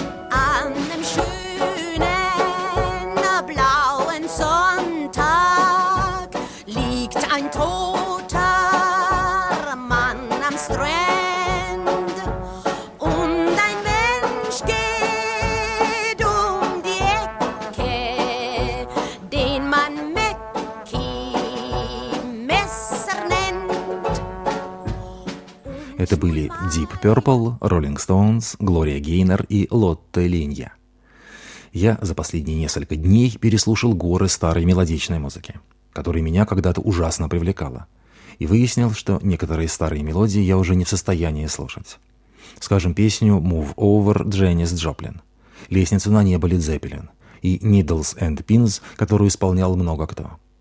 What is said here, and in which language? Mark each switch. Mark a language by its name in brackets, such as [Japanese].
[German] An dem schönen blauen Sonntag liegt ein toter Mann am Strand und ein Mensch geht um die Ecke, den man Mäcki-Messer nennt. [Russian] Это были Deep Purple, Rolling Stones, Gloria Gaynor и Lotte Lynch. Я за последние несколько дней переслушал горы старой мелодичной музыки, которая меня когда-то ужасно привлекала, и выяснил, что некоторые старые мелодии я уже не в состоянии слушать. Скажем, песню «Move Over» Дженис Джоплин, «Лестницу на небо» Лид Зеппелин и «Needles and Pins», которую исполнял много кто.